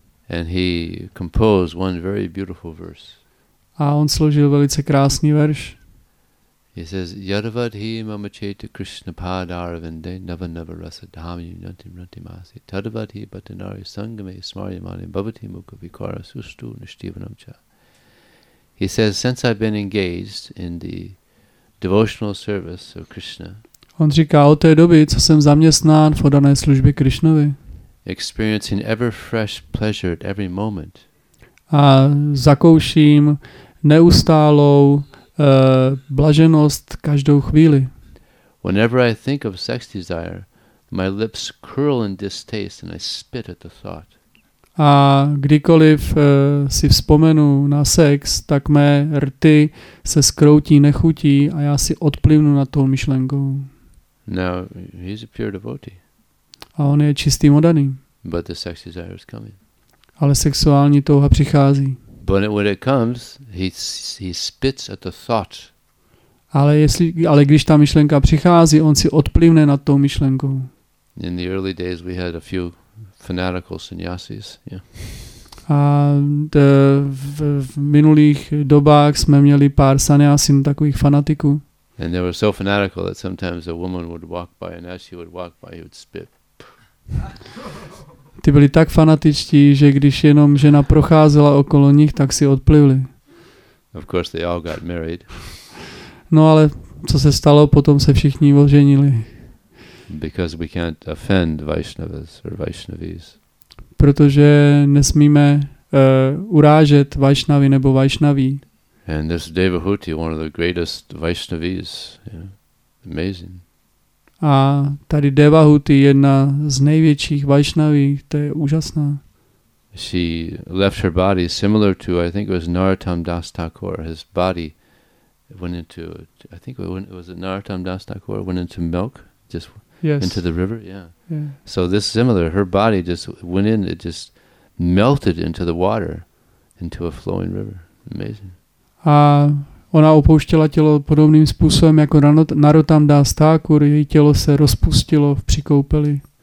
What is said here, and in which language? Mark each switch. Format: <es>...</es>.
<en>And he composed one very beautiful verse.</en> <cs>A on složil velice krásný verš.</cs> <en>He says,</en> <sa>Yadavadhi mama cheta Krishna padaravinde nava nava rasa dhami yunanti mranti masi tadavadhi batanari sangame smaryamani bhavati mukha vikara sustu nishtivanam cha.</sa> <en>He says, since I've been engaged in the devotional service of Krishna,</en> <cs>on říká, od té doby, co jsem zaměstnán v odané službě Krishnovi,</cs> <en>experiencing ever fresh pleasure at every moment,</en> <cs>a zakouším neustálou blaženost každou chvíli.</cs> <en>Whenever I think of sex desire, my lips curl in distaste and I spit at the thought.</en> <cs>A kdykoliv si vzpomenu na sex, tak mé rty se skroutí nechutí a já si odplivnu na tou myšlenkou.</cs> <en>Now, he's a pure devotee.</en> <cs>A on je čistý modaný.</cs> <en>But the sex desire is coming.</en> <cs>Ale sexuální touha přichází.</cs> <en>But when it comes, he spits at the thought.</en> <cs>Ale když ta myšlenka přichází, on si odplivne nad tou myšlenkou.</cs> <en>In the early days we had a few fanatical sannyasis, yeah.</en> <cs>A v minulých dobách jsme měli pár sannyasin takových fanatiků.</cs> <en>And they were so fanatical that sometimes a woman would walk by and as she would walk by he would spit.</en> <cs>Ty byli tak fanatičtí, že když jenom žena procházela okolo nich, tak si odplivli.</cs> <en>Of course they all got married.</en> <cs>No ale co se stalo, potom se všichni oženili.</cs> <en>Because we can't offend Vaishnavas or Vaishnavis.</en> <cs>Protože nesmíme urážet Vaishnavy nebo Vaishnaví.</cs> <en>And this Devahuti, one of the greatest Vaishnavis, yeah. Amazing.</en> <cs>A tady Devahuti, jedna z největších Vaishnaví, to je úžasná.</cs> <en>She left her body similar to, I think it was Narottam Das Thakur. His body went into, I think it was Narottam Das Thakur, went into milk, just yes. into the river, yeah. Yeah. So this similar, her body just went in, it just melted into the water, into a flowing river. Amazing.</en> <cs>A ona opouštěla tělo podobným způsobem jako Narottam Das Thakur, její tělo se rozpustilo v přikoupeli.</cs>